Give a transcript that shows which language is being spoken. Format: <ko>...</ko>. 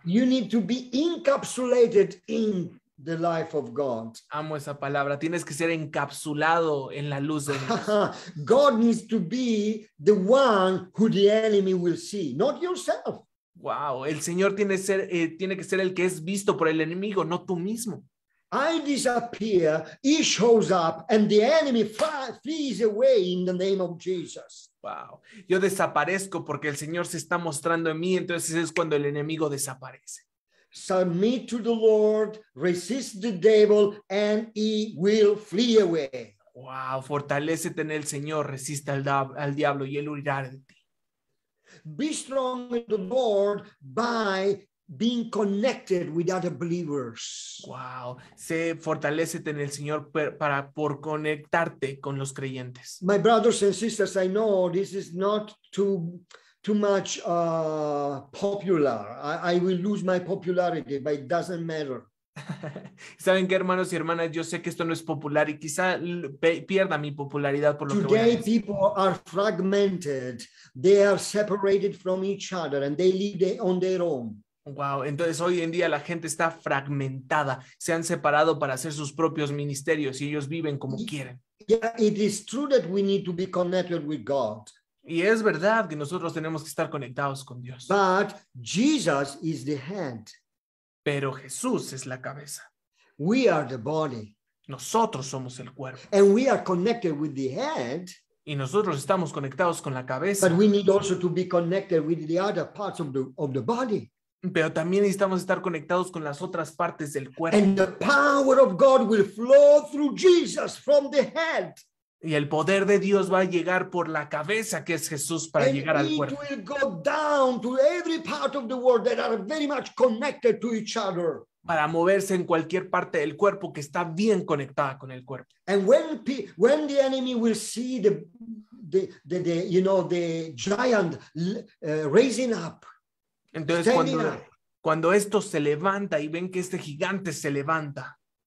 <en>You need to be encapsulated in the life of God.</en> <es>Amo esa palabra. Tienes que ser encapsulado en la luz de Dios.</es> <en>God needs to be the one who the enemy will see, not yourself. Wow.</en> <es>El Señor tiene que ser el que es visto por el enemigo, no tú mismo.</es> <en>I disappear, he shows up, and the enemy flees away in the name of Jesus. Wow.</en> <es>Yo desaparezco porque el Señor se está mostrando en mí, entonces es cuando el enemigo desaparece.</es> <en>Submit to the Lord, resist the devil, and he will flee away.</en> <es>Wow, fortalécete en el Señor, resiste al diablo y él huirá de ti.</es> <en>Be strong in the Lord by being connected with other believers.</en> <es>Wow, sé fortalécete en el Señor por conectarte con los creyentes.</es> <en>My brothers and sisters, I know this is not too much popular. I will lose my popularity, but it doesn't matter.</en> <es>¿Saben qué, hermanos y hermanas? Yo sé que esto no es popular y quizá pierda mi popularidad por lo</es> <en>today</en> <es>que voy a decir.</es> <en>People are fragmented. They are separated from each other and they live on their own.</en> <es>Wow, entonces hoy en día la gente está fragmentada. Se han separado para hacer sus propios ministerios y ellos viven como quieren.</es> <en>Yeah, it is true that we need to be connected with God.</en> <es>Y es verdad que nosotros tenemos que estar conectados con Dios.</es> <en>But Jesus is the head.</en> <es>Pero Jesús es la cabeza.</es> <en>We are the body.</en> <es>Nosotros somos el cuerpo.</es> <en>And we are connected with the head.</en> <es>Y nosotros estamos conectados con la cabeza.</es> <en>But we need also to be connected with the other parts of the body.</en> <es>Pero también necesitamos estar conectados con las otras partes del cuerpo.</es> <en>And the power of God will flow through Jesus from the head.</en> <es>Y el poder de Dios va a llegar por la cabeza, que es Jesús, para</es> <en>and</en> <es>llegar al cuerpo.</es> <en>It will go down to every part of the world that are very much connected to each other.</en> <es>Para moverse en cualquier parte del cuerpo que está bien conectada con el cuerpo.</es> <en>And when the enemy will see the giant raising up.</en> <es>Entonces cuando esto se levanta y ven que este gigante se levanta.</es>